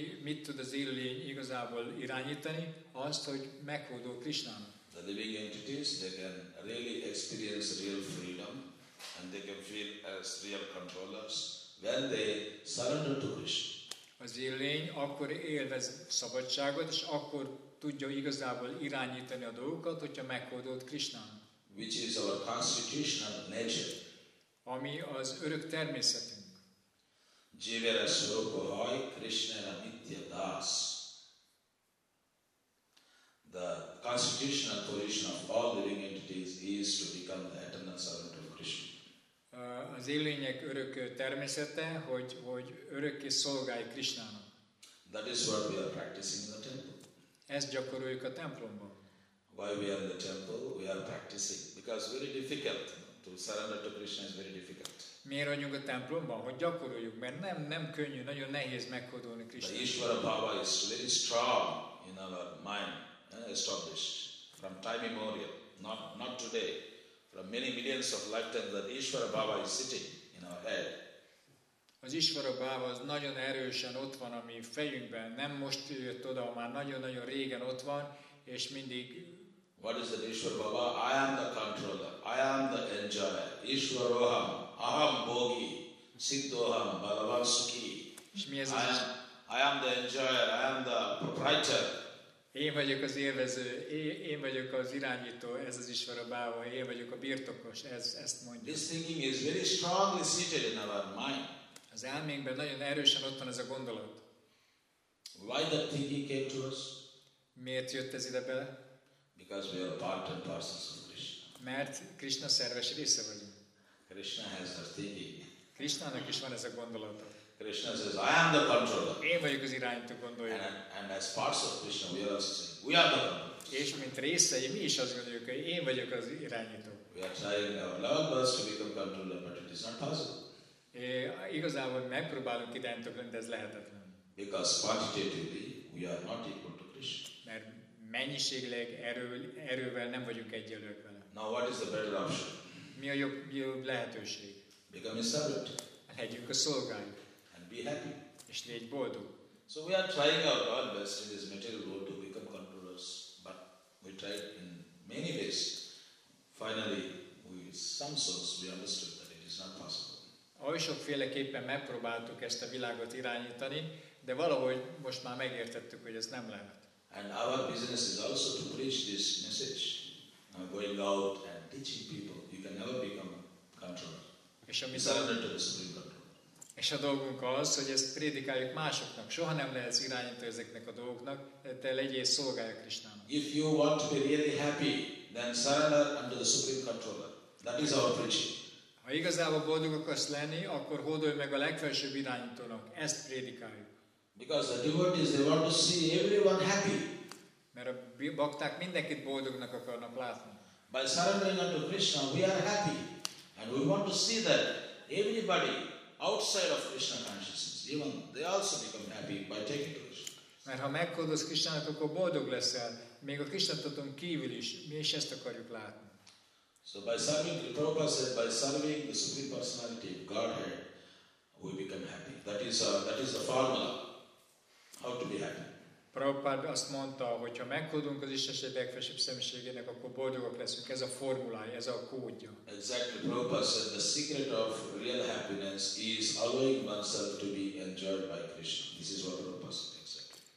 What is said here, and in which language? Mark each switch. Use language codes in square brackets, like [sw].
[hu] Mit tud az élőlény igazából irányítani? Azt, hogy meghódol Krishnának. [en] The living entities, they can really experience real freedom and they can feel as real controllers when they surrender to Krishna. [hu] Az élőlény akkor élvez szabadságot, és akkor tudja igazából irányítani a dolgokat, hogyha meghódolt Krishnának. [en] Which is our constitutional nature. [hu] Ami az örök természetünk. [bn] Jivera Sroko Hoy Krishna Ramitya Das. [en] The constitutional position of all living entities is to become the eternal servant of Krishna. [hu] Az élőlények örök természete, hogy örökké szolgálj Krishnának. [en] That is what we are practicing in the temple. [hu] Ezt gyakoroljuk a templomban. [en] Why we are in the temple? We are practicing. Because very difficult. To surrender to Krishna is very difficult. [hu] Miért vagyunk a templomban? Hogy gyakoroljuk, mert nem könnyű, nagyon nehéz meghódolni Krishna. [en] The Ishvara Bhava is very strong in our mind, established from time immemorial, not today, from many millions of lifetimes that Ishvara Bhava is sitting in our head. [hu] Az Ishvara Bhava az nagyon erősen ott van a mi fejünkben, nem most jött oda, már nagyon-nagyon régen ott van, és mindig. [en] What is that Ishvara Bhava? I am the controller, I am the enjoyer, Ishvaroham. [sa] Aham bogi, siddoham, bhagavan sukhi. [en] I am the enjoyer, I am the proprietor. [hu] Én vagyok az élvező, én vagyok az irányító, ez az Ishvara Bhava, én vagyok a birtokos, ezt mondja. [en] This thinking is very strongly seated in our mind. [hu] Az elménkben nagyon erősen ott van ez a gondolat. [en] Why that thinking came to us? [hu] Miért jött ez ide bele? [en] Because we are part and parcel of Krishna. [hu] Mert Krishna szerves része vagyunk. [en] Krishna has the thinking. [hu] Krishnának is van ez a gondolata. [en] Krishna says, I am the controller. [hu] Én vagyok az irányító gondolja. [en] And as parts of Krishna, we are also saying, we are the controller. [hu] És mint részei, mi is azt gondoljuk, hogy én vagyok az irányító. [en] We are trying our love first to become controller, but it is not possible. [hu] Igazából megpróbálunk irányító lenni, de ez lehetetlen. [en] Because quantitatively, we are not equal to Krishna. [hu] Mert mennyiségleg erővel nem vagyunk egyenlők vele. [en] Now what is the better option? [hu] Mi a jobb lehetőség? [en] Become a servant. [hu] Legyünk a szolgáj. [en] And be happy. [hu] És légy boldog. [en] So we are trying our all best in this material world to become controllers, but we try in many ways. Finally, we understood that it is not possible. [hu] Oly sokféleképpen megpróbáltuk ezt a világot irányítani, de valahogy most már megértettük, hogy ez nem lehet. [en] And our business is also to preach this message. I'm going out and teaching people. Can never become controller. Surrender to the supreme controller. [hu] És a dolgunk az, hogy ezt prédikáljuk másoknak. Soha nem lehetsz irányító ezeknek a dolgoknak, te legyél szolgálja Krisnának. [en] If you want to be really happy, then surrender unto the supreme controller. That is our preaching. [hu] Ha igazából boldog akarsz lenni, akkor hódolj meg a legfelsőbb irányítónak. Ezt prédikáljuk. [en] Because the devotees, they want to see everyone happy. [hu] Mert a bakták mindenkit boldognak akarnak látni. [en] By surrendering unto Krishna, we are happy. And we want to see that everybody outside of Krishna consciousness, even they also become happy by taking Krishna. [hu] Mert ha meghódolsz Krishnának, akkor boldog leszel. Még a Krishna tudom kívül is. Mi is ezt akarjuk látni. [en] So by serving the Prabhupada said, by serving the Supreme Personality of Godhead, we become happy. That is the formula. How to be happy? Prabhupada azt mondta, hogy ha meghódunk az Isten legfelsőbb személyiségének, akkor boldogok leszünk. Ez a formulája, ez a kódja. Exactly. Prabhupada said, the secret of real happiness is allowing oneself to be enjoyed by Krishna. This is what Prabhupada said.